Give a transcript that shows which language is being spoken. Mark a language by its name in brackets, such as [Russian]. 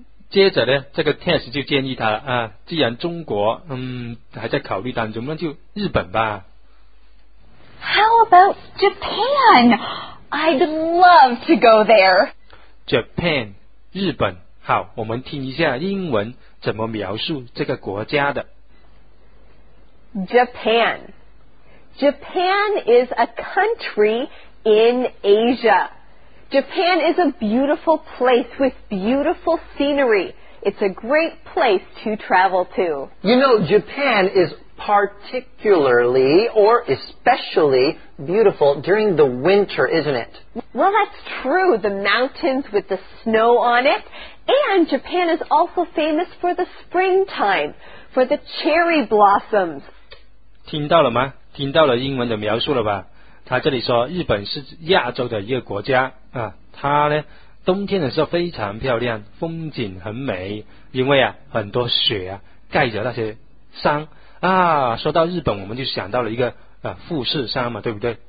[Chinese] 接着呢，这个 test 就建议他了啊，既然中国还在考虑当中，那就日本吧。 [English] How about Japan? I'd love to go there. Japan, 日本。 [Chinese] 好，我们听一下英文怎么描述这个国家的。 [English] Japan. Japan is a country in Asia. Japan is a beautiful place with beautiful scenery. It's a great place to travel to. You know, Japan is particularly or especially beautiful during the winter, isn't it? Well, that's true. The mountains with the snow on it. And Japan is also famous for the springtime, for the cherry blossoms. [Chinese] 听到了吗？听到了英文的描述了吧？他这里说日本是亚洲的一个国家啊，它呢冬天的时候非常漂亮，风景很美，因为啊很多雪啊盖着那些山啊。说到日本，我们就想到了一个富士山嘛，对不对？